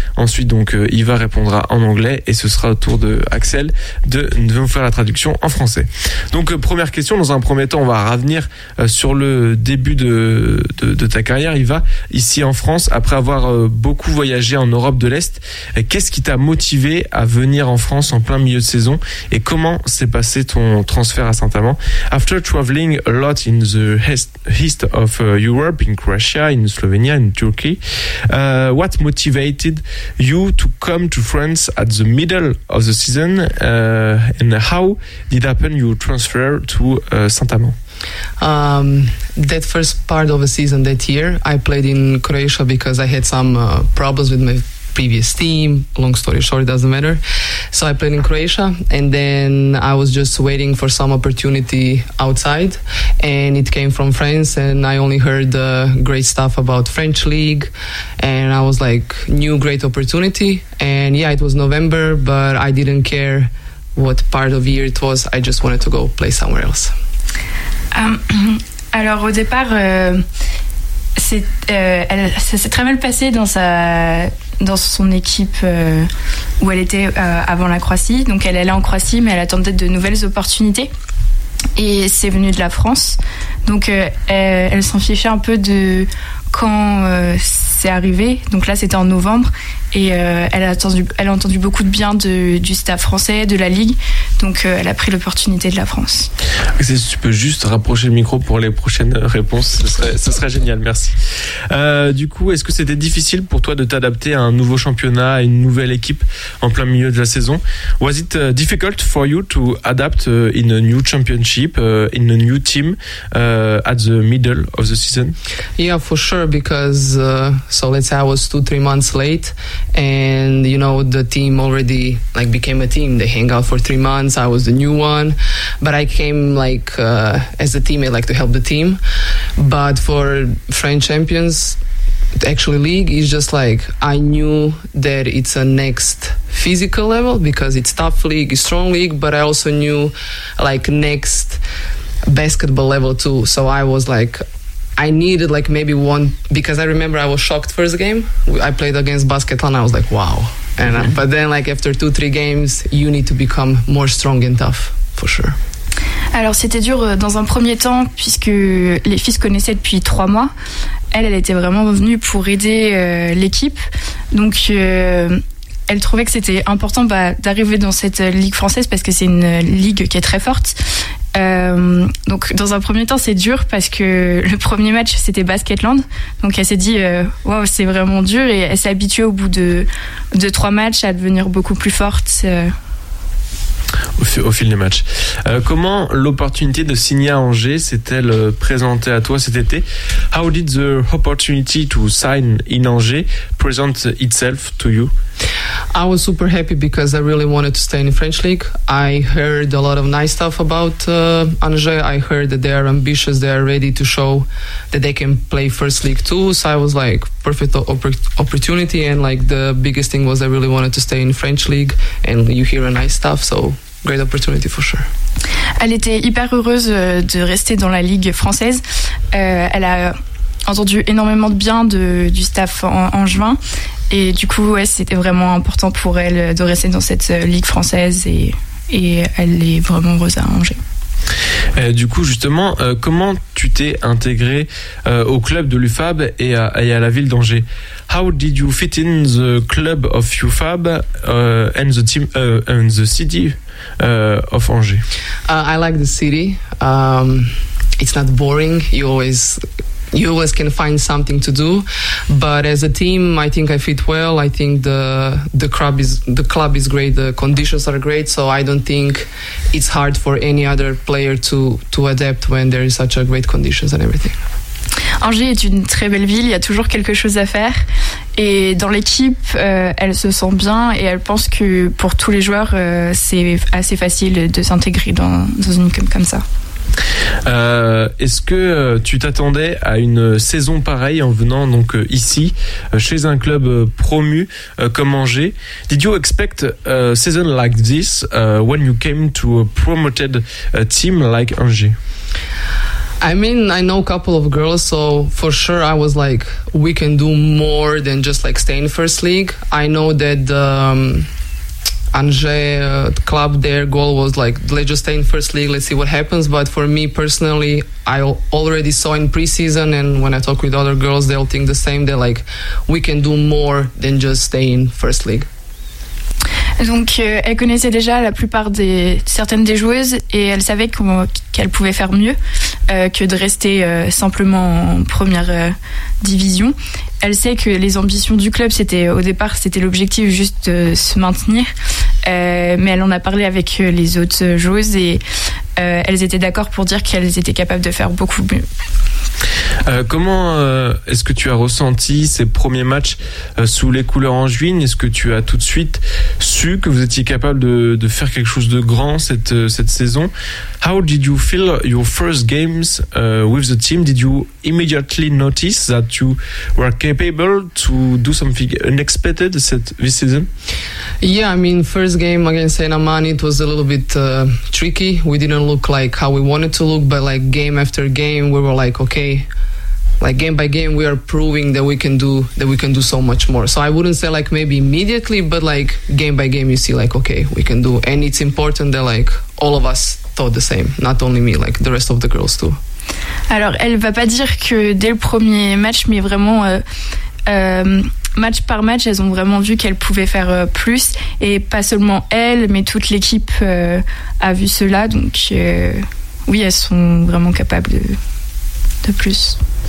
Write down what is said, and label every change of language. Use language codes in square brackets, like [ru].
[fr] Ensuite, donc, Iva répondra en anglais et ce sera au tour de Axel de nous faire la traduction en français. Donc, première question. Dans un premier temps, on va revenir sur le début de ta carrière, Iva, ici en France, après avoir beaucoup voyagé en Europe de l'Est. Qu'est-ce qui t'a motivé à venir en France en plein milieu de saison et comment s'est passé ton transfert à Saint-Amand? [en] After traveling a lot in the east of Europe, in Croatia, in Slovenia, in Turkey, what motivated you to come to France at the middle of the season, and how did happen your transfer to Saint-Amand? That first part of the season that year, I played in Croatia because I had some problems with my previous team. Long story short, it doesn't matter. So I played in Croatia, and then I was just waiting for some opportunity outside, and it came from France, and I only heard great stuff about French league, and I was like, new great opportunity. And yeah, it was November, but I didn't care what part of year it was. I just wanted to go play somewhere else. [fr] Alors au départ, ça s'est très mal passé dans son équipe où elle était avant la Croatie. Donc elle allait en Croatie, mais elle attendait de nouvelles opportunités. Et c'est venu de la France. Donc elle s'en fichait un peu de quand c'est arrivé. Donc là, c'était en novembre. Et elle a entendu beaucoup de bien du staff français, de la Ligue. Donc elle a pris l'opportunité de la France. Si tu peux juste rapprocher le micro pour les prochaines réponses, ce serait génial, merci. Du coup, est-ce que c'était difficile pour toi de t'adapter à un nouveau championnat, à une nouvelle équipe en plein milieu de la saison? [en] Was it difficult for you to adapt in a new championship, in a new team, at the middle of the season? Yeah, for sure, because so let's say I was 2-3 months late, and you know, the team already like became a team. They hang out for 3 months. I was the new one, but I came like as a teammate, like to help the team. But for French champions, actually league, is just like I knew that it's a next physical level because it's tough league, it's strong league, but I also knew like next basketball level too. So I was like, I needed like maybe one, because I remember I was shocked first game I played against Basketland. I was like, wow. And mm-hmm. But then like after 2-3 games, you need to become more strong and tough for sure. [fr] Alors, c'était dur dans un premier temps, puisque les filles se connaissaient depuis 3 mois. Elle était vraiment venue pour aider l'équipe. Donc, elle trouvait que c'était important d'arriver dans cette ligue française, parce que c'est une ligue qui est très forte. Donc, dans un premier temps, c'est dur, parce que le premier match, c'était Basketland. Donc, elle s'est dit, wow, c'est vraiment dur. Et elle s'est habituée au bout de 3 matchs à devenir beaucoup plus forte. Au fil des matchs. Comment l'opportunité de signer à Angers s'est-elle présentée à toi cet été? [en] How did the opportunity to sign in Angers present itself to you? I was super happy because I really wanted to stay in the French league. I heard a lot of nice stuff about Angers. I heard that they are ambitious, they are ready to show that they can play first league too. So I was like, perfect opportunity. And like the biggest thing was I really wanted to stay in the French league and you hear nice stuff. So great opportunity for sure. [fr] Elle était hyper heureuse de rester dans la ligue française. Elle a entendu énormément de bien du staff en juin. Et du coup, ouais, c'était vraiment important pour elle de rester dans cette ligue française et elle est vraiment heureuse à Angers. Du coup, justement, comment tu t'es intégré au club de l'UFAB et à la ville d'Angers? [en] How did you fit in the club of UFAB and the team and the city of Angers? I like the city. It's not boring. You always can find something to do, but as a team, I think I fit well. I think the club is great. The conditions are great, so I don't think it's hard for any other player to adapt when there is such a great conditions and everything. [fr] Angers est une très belle ville. Il y a toujours quelque chose à faire, et dans l'équipe, elle se sent bien et elle pense que pour tous les joueurs, c'est assez facile de s'intégrer dans une équipe comme ça. Est-ce que tu t'attendais à une saison pareille en venant donc ici chez un club promu comme Angers? [en] Did you expect a season like this when you came to a promoted team like Angers? I mean, I know a couple of girls, so for sure I was like, we can do more than just like stay in first league. I know that Angers club, their goal was like, let's just stay in first league, let's see what happens. But for me personally, I already saw in preseason, and when I talk with other girls, they all think the same. They're like, we can do more than just stay in first league. [fr] Donc, elle connaissait déjà la plupart certaines des joueuses, et elle savait qu'elle pouvait faire mieux que de rester simplement en première division. Elle sait que les ambitions du club, c'était au départ l'objectif juste de se maintenir. Mais elle en a parlé avec les autres joueuses et elles étaient d'accord pour dire qu'elles étaient capables de faire beaucoup mieux. Comment est-ce que tu as ressenti ces premiers matchs sous les couleurs angevines? Est-ce que tu as tout de suite su que vous étiez capable de faire quelque chose de grand cette saison? [en] How did you feel your first games with the team? Did you immediately notice that you were capable to do something unexpected this season? Yeah, I mean, first game against Saint Amand, it was a little bit tricky. We didn't look like how we wanted to look, but like game after game, we were like, okay, like game by game, we are proving that we can do so much more. So I wouldn't say like maybe immediately, but like game by game, you see like, okay, we can do. And it's important that like all of us thought the same, not only me, like the rest of the girls too. [fr] Alors, elle va pas dire que dès le premier match, mais vraiment match par match, elles ont vraiment vu qu'elles pouvaient faire plus. Et pas seulement elle, mais toute l'équipe a vu cela. Donc oui, elles sont vraiment capables de plus.